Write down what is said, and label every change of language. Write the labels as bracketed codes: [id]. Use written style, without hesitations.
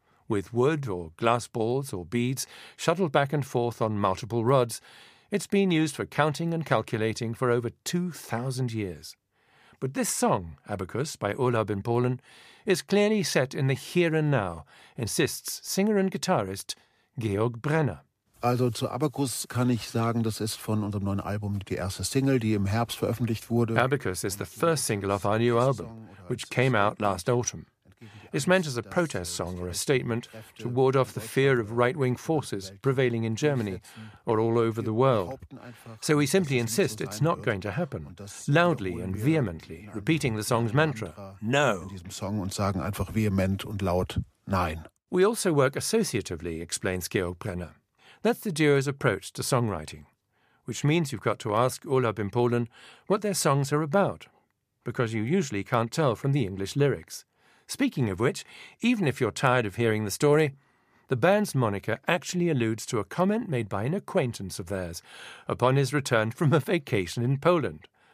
[en] With wood or glass balls or beads shuttled back and forth on multiple rods, it's been used for counting and calculating for over 2,000 years. But this song, Abacus, by Urlaub in Polen, is clearly set in the here and now, insists singer and guitarist Georg Brenner. [de] Also zu Abacus kann ich sagen, das ist von unserem neuen Album die erste Single, die im Herbst veröffentlicht wurde. [en] Abacus is the first single of our new album, which came out last autumn. It's meant as a protest song or a statement to ward off the fear of right-wing forces prevailing in Germany or all over the world. So we simply insist it's not going to happen, loudly and vehemently, repeating the song's mantra, no. [de] In diesem Song und sagen einfach vehement und laut, nein. [en] We also work associatively, explains Georg Brenner. That's the duo's approach to songwriting, which means you've got to ask Urlaub in Polen what their songs are about, because you usually can't tell from the English lyrics. Speaking of which, even if you're tired of hearing the story, the band's moniker actually alludes to a comment made by an acquaintance of theirs upon his return from a vacation in Poland.